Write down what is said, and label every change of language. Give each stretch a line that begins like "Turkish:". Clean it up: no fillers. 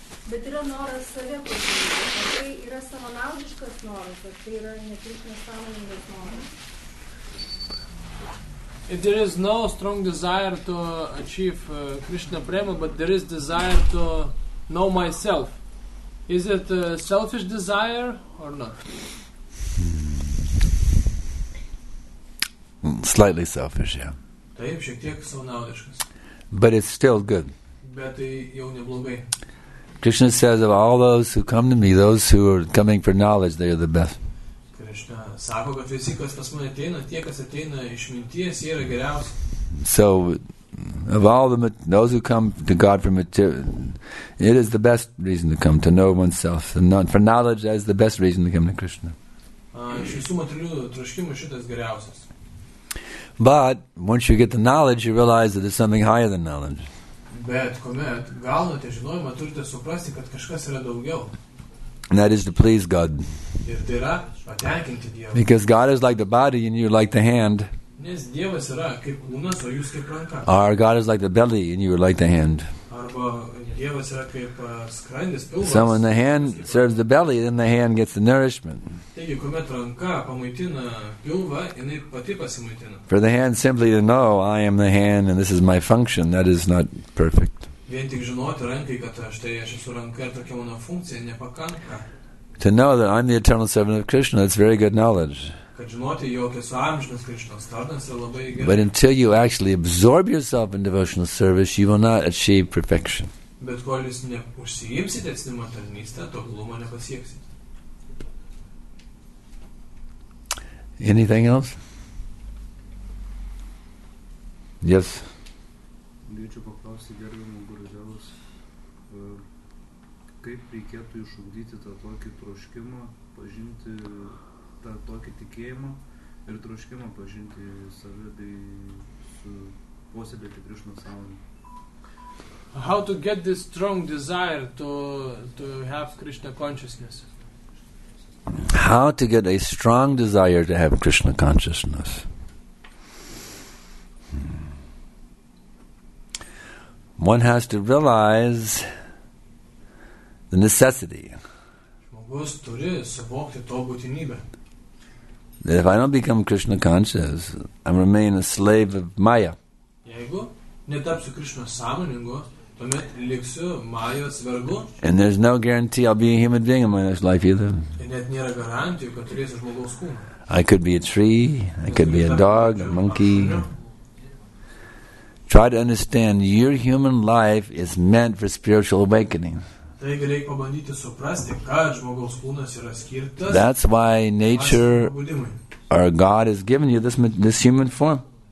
Lithuanian: Bet yra noras save pažinti. Tai yra savanaudiškas noras, ar tai yra ne Krishna sąmoningas noras?
English: If there is no strong desire to achieve Krishna prema, but there is desire to know myself, is it a selfish desire or not? Slightly selfish, yeah.
Lithuanian: Taip, šiek tiek savanaudiškas.
English: But it's still good.
Lithuanian: Bet tai jau neblogai.
English: Krishna says of all those who come to me, those who are coming for knowledge, they are the best.
Lithuanian: Krishna sako, kad visi, kas pas mane ateina, tie, kas ateina iš minties, jie yra geriausi.
English: So, of all the, those who come to God for material, it is the best reason to come, to know oneself. And not, for knowledge, that is the best reason to come to Krishna.
Lithuanian: Iš visų materialių troškimų šitas geriausias.
English: But, once you get the knowledge, you realize that there's something higher than knowledge.
Lithuanian: Bet kuomet gaunate žinojimą, turite suprasti, kad kažkas yra daugiau.
English: And that is to please God.
Lithuanian: Ir tai yra patenkinti Dievą.
English: Because God is like the body and you are like the hand.
Lithuanian: Nes Dievas yra kaip kūnas, o jūs kaip ranka.
English: Or God is like the belly and you are like the hand.
Lithuanian: Arba Dievas yra kaip skrandis, pilvas.
English: So when the hand serves the belly, then the hand gets the nourishment.
Lithuanian: Taigi, kuomet ranka pamaitina pilvą, jinai pati pasimaitina.
English: For the hand simply to know, I am the hand and this is my function, that is not perfect.
Lithuanian: Vien tik žinoti rankai, kad štai aš esu ranka ir tokia mano funkcija nepakanka.
English: To know that I'm the eternal servant of Krishna, that's very good knowledge.
Lithuanian: Kad žinoti, jog esu amžinas Krishnos tarnas, yra labai gerai.
English: But until you actually absorb yourself in devotional service, you will not achieve perfection.
Lithuanian: Bet kol jūs neužsiimsite atsinimo tarnystę, to glumo nepasieksite.
English: Anything else? Yes.
Lithuanian: Norėčiau paklausti gerbiamo Gurudevos, kaip reikėtų išugdyti tą tokį troškimą, pažinti tą tokį tikėjimą ir troškimą pažinti save bei posėdėti Krišnos sąmonę.
English: How to get this strong desire to have Krishna consciousness? How to get a strong desire to have Krishna consciousness? One has to realize the necessity.
Lithuanian: Žmogus turi suvokti to būtinybę.
English: That if I don't become Krishna conscious, I remain a slave of Maya.
Lithuanian: Jeigu netapsiu Krishna sąmoningu, tuomet liksiu Majos vergu.
English: And there's no guarantee I'll be a human being in my next life either.
Lithuanian: Ir net nėra garantijų, kad turėsiu žmogaus kūną.
English: I could be a tree, I could be a dog, a monkey. Try to understand your human life is meant for spiritual awakening. That's why nature or God has given you this human form.